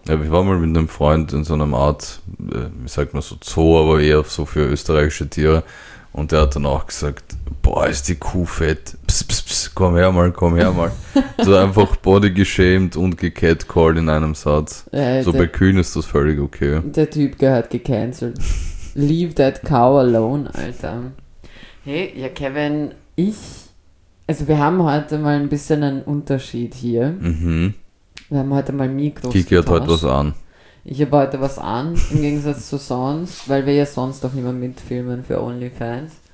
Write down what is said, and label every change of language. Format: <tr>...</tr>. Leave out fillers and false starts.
<de>Ja, ich war mal mit einem Freund in so einer Art, wie sagt man so, Zoo, aber eher so für österreichische Tiere. Und der hat dann auch gesagt: Boah, ist die Kuh fett. Psst, psst, psst, komm her mal, komm her mal. So einfach body geschämt und gecatcalled in einem Satz. So bei Kühen ist das völlig okay. Der Typ gehört gecancelt.</de> <en>Leave that cow alone, Alter.</en> <de>Hey, ja, Kevin, also wir haben heute mal ein bisschen einen Unterschied hier. Wir haben heute mal Mikros Kiki hat heute was getauscht. an. Ich habe heute was an, im Gegensatz zu sonst, weil wir ja sonst auch immer mitfilmen für OnlyFans.</de>